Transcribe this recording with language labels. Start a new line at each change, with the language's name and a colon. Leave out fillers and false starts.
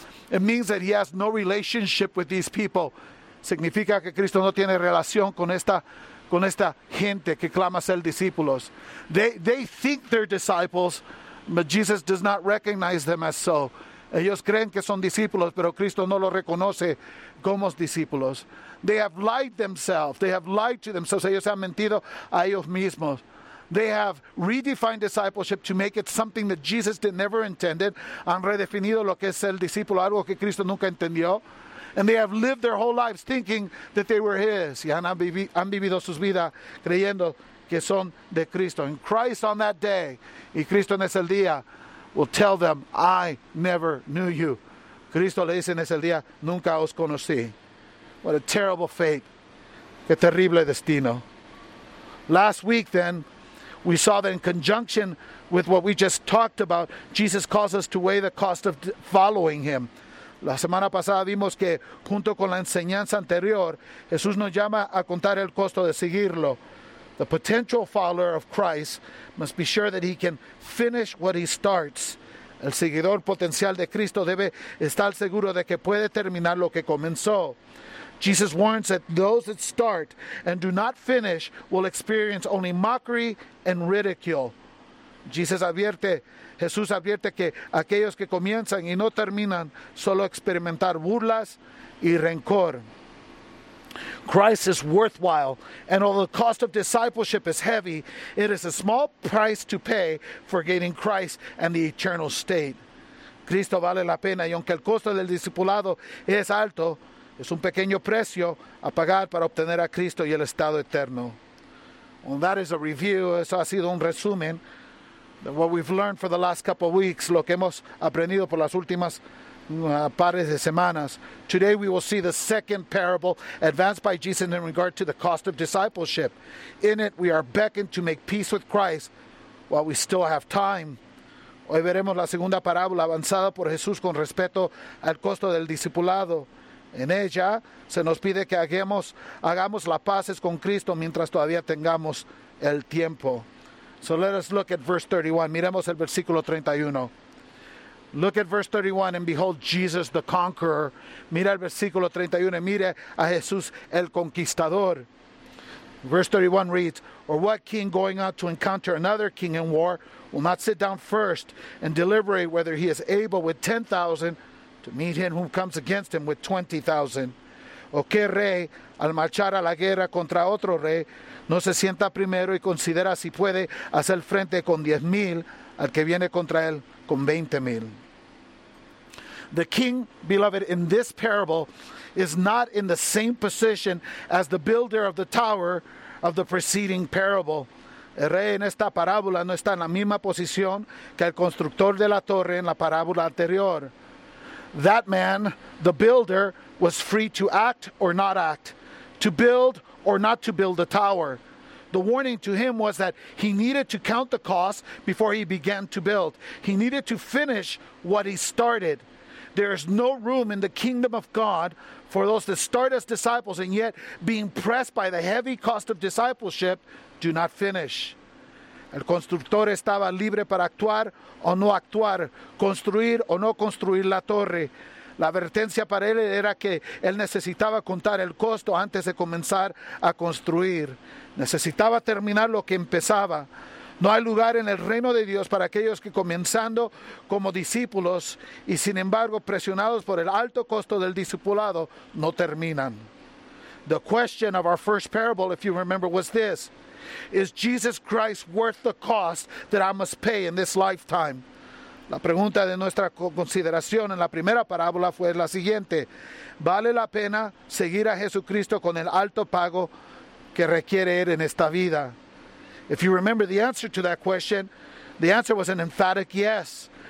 English: It means that he has no relationship with these people.
Spanish: Significa que Cristo no tiene relación con esta gente que clama ser discípulos.
English: They think they're disciples, but Jesus does not recognize them as so.
Spanish: Ellos creen que son discípulos, pero Cristo no los reconoce como discípulos.
English: They have lied themselves. They have lied to themselves.
Spanish: Ellos han mentido a ellos mismos.
English: They have redefined discipleship to make it something that Jesus did never intended.
Spanish: Han redefinido lo que es el discípulo, algo que Cristo nunca entendió.
English: And they have lived their whole lives thinking that they were his.
Spanish: Y han vivido sus vidas creyendo que son de Cristo.
English: And Christ on that day,
Spanish: y Cristo en ese día,
English: will tell them, I never knew you.
Spanish: Cristo le dice en ese día, nunca os conocí.
English: What a terrible fate.
Spanish: Qué terrible destino.
English: Last week then, we saw that in conjunction with what we just talked about, Jesus calls us to weigh the cost of following him.
Spanish: La semana pasada vimos que junto con la enseñanza anterior, Jesús nos llama a contar el costo de seguirlo.
English: The potential follower of Christ must be sure that he can finish what he starts.
Spanish: El seguidor potencial de Cristo debe estar seguro de que puede terminar lo que comenzó.
English: Jesus warns that those that start and do not finish will experience only mockery and ridicule.
Spanish: Jesús advierte que aquellos que comienzan y no terminan solo experimentar burlas y rencor.
English: Christ is worthwhile, and although the cost of discipleship is heavy, it is a small price to pay for gaining Christ and the eternal state.
Spanish: Cristo vale la pena, y aunque el costo del discipulado es alto, es un pequeño precio a pagar para obtener a Cristo y el estado eterno.
English: Well, that is a review.
Spanish: Eso ha sido un resumen de
English: what we've learned for the last couple of weeks,
Spanish: lo que hemos aprendido por las últimas pares de semanas.
English: Today we will see the second parable advanced by Jesus in regard to the cost of discipleship. In it, we are beckoned to make peace with Christ while we still have time.
Spanish: Hoy veremos la segunda parábola avanzada por Jesús con respecto al costo del discipulado. En ella, se nos pide que hagamos las paces con Cristo mientras todavía tengamos el tiempo.
English: So let us look at verse 31.
Spanish: Miremos el versículo 31.
English: Look at verse 31 and behold Jesus the conqueror.
Spanish: Mira el versículo 31 y mire a Jesús el conquistador.
English: Verse 31 reads, or what king going out to encounter another king in war will not sit down first and deliberate whether he is able with 10,000 to meet him who comes against him with 20,000?
Spanish: ¿O qué rey, al marchar a la guerra contra otro rey, no se sienta primero y considera si puede hacer frente con 10,000 al que viene contra él con 20,000?
English: The king, beloved, in this parable is not in the same position as the builder of the tower of the preceding parable. El rey en esta parábola no está en la misma posición que el constructor de la torre en la parábola anterior. That man, the builder, was free to act or not act, to build or not to build the tower. The warning to him was that he needed to count the cost before he began to build. He needed to finish what he started. There is no room in the kingdom of God for those that start as disciples and yet being pressed by the heavy cost of discipleship do not finish.
Spanish: El constructor estaba libre para actuar o no actuar, construir o no construir la torre. La advertencia para él era que él necesitaba contar el costo antes de comenzar a construir. Necesitaba terminar lo que empezaba. No hay lugar en el reino de Dios para aquellos que comenzando como discípulos y sin embargo presionados por el alto costo del discipulado no terminan.
English: The question of our first parable, if you remember, was this. Is Jesus Christ worth the cost that I must pay in this lifetime?
Spanish: La pregunta de nuestra consideración en la primera parábola fue la siguiente. ¿Vale la pena seguir a Jesucristo con el alto pago que requiere él en esta vida?
English: If you remember the answer to that question, the answer was an emphatic yes.